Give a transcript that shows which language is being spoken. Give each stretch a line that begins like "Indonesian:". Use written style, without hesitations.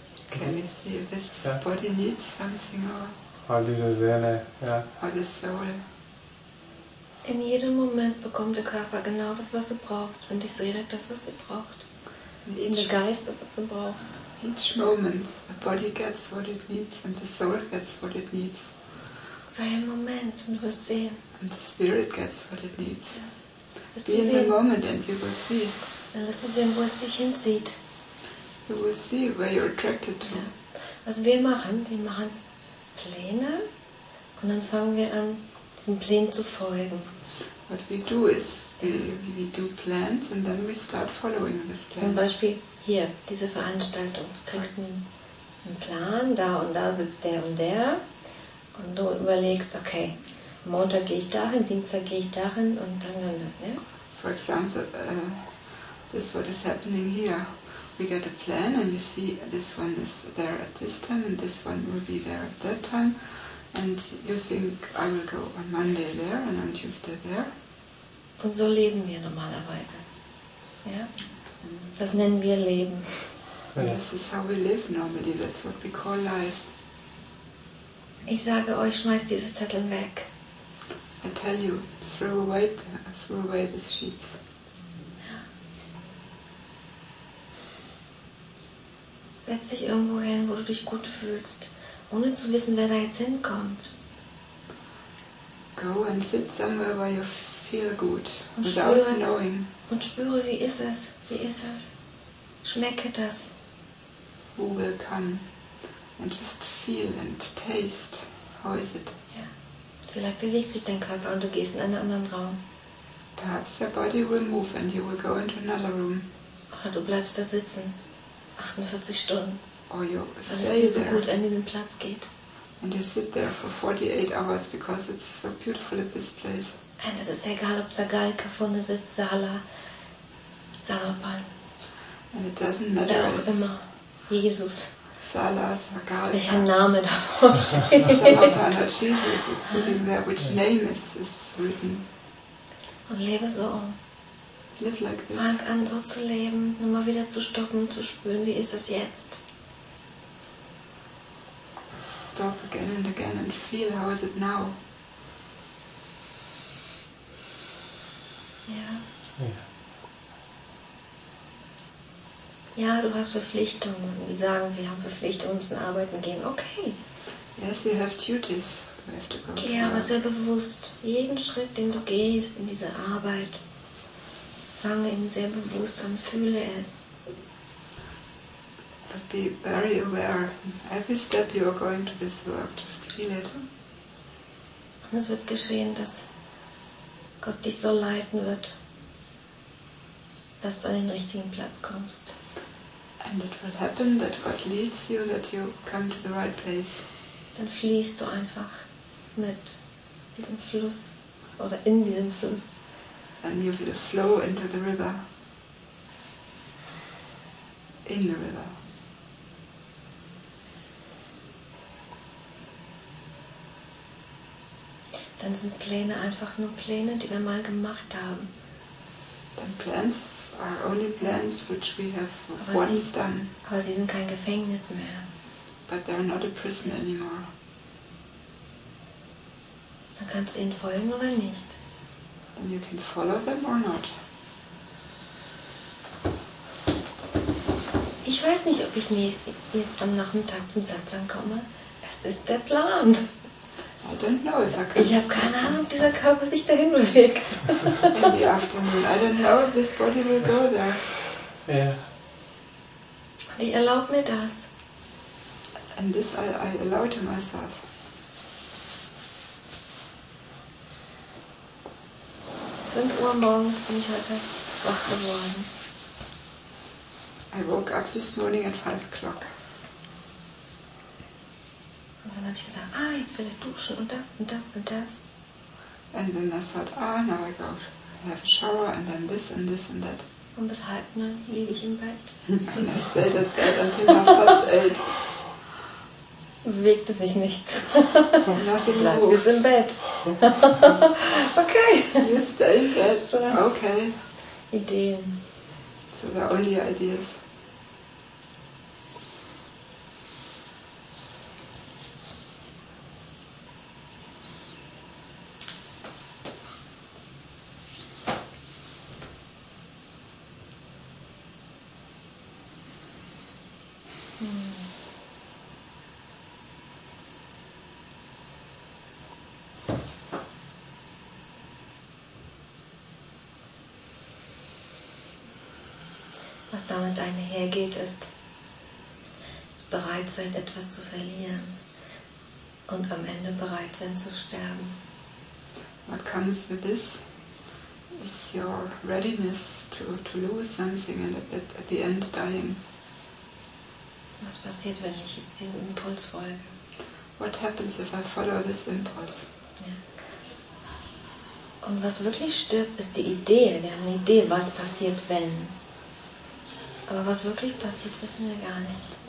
English: can you see if this body needs something or?
German: Or diese Seele,
English: Or the soul.
German: In jedem Moment bekommt der Körper genau das, was er braucht, und die Seele das, was sie braucht. Und der Geist das, was er braucht.
English: Each moment, the body gets what it needs and the soul gets what it needs.
German: Sei im Moment und du wirst sehen.
English: And the spirit gets what it needs. Be in the moment and you will see.
German: Dann wirst du sehen, wo es dich hinzieht.
English: You will see where you're attracted to.
German: Was wir machen Pläne und dann fangen wir an, den Plänen zu folgen.
English: What we do is we do plans and then we start following this plan.
German: Zum Beispiel hier, diese Veranstaltung. Du kriegst einen Plan, da und da sitzt der und der. Und du überlegst, okay, Montag gehe ich dahin, Dienstag gehe ich dahin und dann und dann. Ja?
English: For example, this is what is happening here. We get a plan and you see this one is there at this time and this one will be there at that time. And you think I will go on Monday there and on Tuesday there.
German: Und so leben wir normalerweise. Ja? Das nennen wir Leben.
English: This is how we live normally, that's what we call life.
German: Ich sage euch, schmeißt diese Zettel weg.
English: I tell you, throw away the sheets.
German: Setz dich irgendwo hin, wo du dich gut fühlst. Ohne zu wissen, wer da jetzt hinkommt.
English: Go and sit somewhere where you feel good, without knowing.
German: Und spüre, wie ist es? Wie ist es? Schmecke das.
English: Who will come? And just feel and taste. How is it?
German: Ja. Vielleicht bewegt sich dein Körper und du gehst in einen anderen Raum.
English: Perhaps your body will move and you will go into another room.
German: Oder du bleibst da sitzen. 48 Stunden.
English: Or you
German: stay weil es dir so gut an diesen Platz geht.
English: And you sit there for 48 hours because it's so beautiful at this place.
German: Und es ist egal, ob Zagal, Kafunde sitzt, Sala, Sarapan.
English: And it doesn't matter.
German: Oder auch immer. Jesus. Sala, Sagal. Welcher Name davor steht.
English: Sarapan or Jesus is sitting there, which name is written.
German: Und lebe so.
English: Live like this.
German: Fang an, so zu leben, immer wieder zu stoppen, zu spüren, wie ist es jetzt.
English: Stop again and feel how is it now.
German: Ja, du hast Verpflichtungen. Wie sagen wir, haben Verpflichtungen, müssen arbeiten gehen. Okay.
English: Yes, you have duties.
German: Okay, aber sehr bewusst. Jeden Schritt, den du gehst in diese Arbeit, fange ihn sehr bewusst an, fühle es.
English: But be very aware. Every step you are going to this work, just feel it.
German: Und es wird geschehen, dass Gott dich so leiten wird, dass du an den richtigen Platz kommst.
English: And it will happen that God leads you, that you come to the right place.
German: Dann fließt du einfach mit diesem Fluss oder in diesem Fluss.
English: And you will flow into the river. In the river.
German: Dann sind Pläne einfach nur Pläne, die wir mal gemacht haben.
English: Dann Plans. Are only plans which we have aber once done.
German: Aber sie sind kein Gefängnis mehr.
English: But they are not a prison anymore.
German: Dann kannst du ihnen folgen oder nicht.
English: And you can follow them or not.
German: Ich weiß nicht, ob ich jetzt am Nachmittag zum Satsang komme. Es ist der Plan.
English: I don't know if I can.
German: Ich habe keine Ahnung, ob dieser Körper sich dahin bewegt.
English: In the afternoon. I don't know if this body will go there.
German: Yeah. Ich erlaube mir das.
English: And this I allow to myself.
German: Fünf Uhr morgens bin ich heute wach geworden.
English: I woke up this morning at 5 o'clock.
German: Und dann habe ich gedacht, ah, jetzt will ich duschen und das und das und das.
English: And then I thought, ah, now I go have a shower and then this and this and that.
German: Und bis 9:30 liege ich im Bett.
English: And I stayed at bed until 8:30.
German: Bewegte sich nichts.
English: Nothing
German: moved. Bleibst jetzt im Bett. Okay.
English: You stay in bed. So, okay.
German: Ideen.
English: So the only ideas.
German: Was damit einhergeht, ist bereit sein, etwas zu verlieren und am Ende bereit sein zu sterben.
English: What comes with this is your readiness to lose something and at the end dying.
German: Was passiert, wenn ich jetzt diesem Impuls folge?
English: What happens if I follow this impulse?
German: Ja. Und was wirklich stirbt, ist die Idee. Wir haben eine Idee, was passiert, wenn. Aber was wirklich passiert, wissen wir gar nicht.